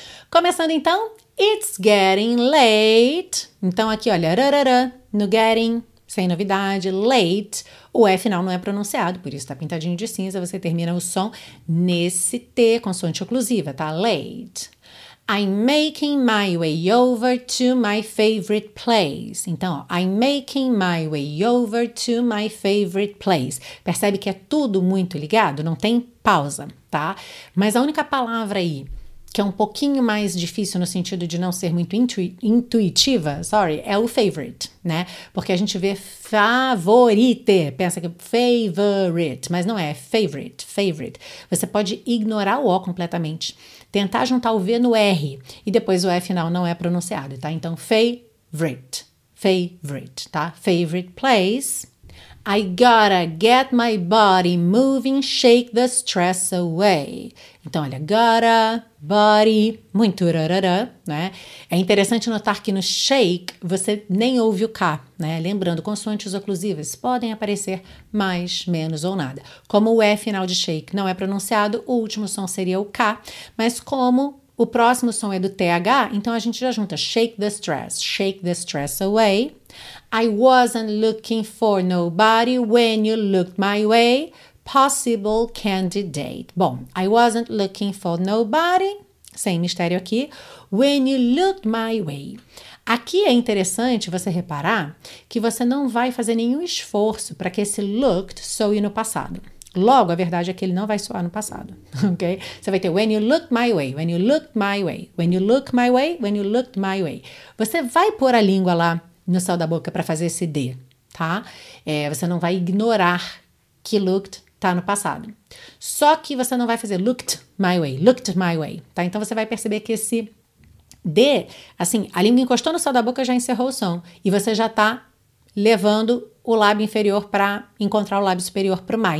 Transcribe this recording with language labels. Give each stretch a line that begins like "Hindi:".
Portuguese: Começando então,
English: it's getting late.
Portuguese: Então aqui, olha, rarara, no getting, sem novidade, late. O E final não é pronunciado, por isso tá pintadinho de cinza, você termina o som nesse T, consoante oclusiva, tá?
English: Late. I'm making my way over to my favorite place.
Portuguese: Então, ó,
English: I'm making my way over to my favorite place.
Portuguese: Percebe que é tudo muito ligado? Não tem pausa, tá? Mas a única palavra aí que é um pouquinho mais difícil no sentido de não ser muito intuitiva, sorry, é o favorite, né? Porque a gente vê favorite, pensa que favorite, mas não é, favorite, favorite. Você pode ignorar o O completamente, tentar juntar o V no R e depois o E final não é pronunciado, tá? Então, favorite, favorite, tá?
English: Favorite place. I gotta get my body moving, shake the stress away.
Portuguese: Então, olha, gotta, body, muito rarara, né? É interessante notar que no shake você nem ouve o K, né? Lembrando, consoantes oclusivas podem aparecer mais, menos ou nada. Como o E final de shake não é pronunciado, o último som seria o K, mas como o próximo som é do TH, então a gente já junta
English: shake the stress away. I wasn't looking for nobody when you looked my way, possible candidate. Bom, I wasn't looking for nobody,
Portuguese: sem mistério aqui,
English: when you looked my way.
Portuguese: Aqui é interessante você reparar que você não vai fazer nenhum esforço para que esse looked soe no passado. Logo, a verdade é que ele não vai soar no passado, ok? Você vai ter
English: when you looked my way, when you looked my way, when you looked my way, when you looked my way.
Portuguese: Você vai pôr a língua lá no céu da boca para fazer esse D, tá? Você não vai ignorar que looked tá no passado. Só que você não vai fazer
English: looked my way,
Portuguese: tá? Então você vai perceber que esse D, assim, a língua encostou no céu da boca, já encerrou o som e você já tá levando o lábio inferior para encontrar o lábio superior para o mai.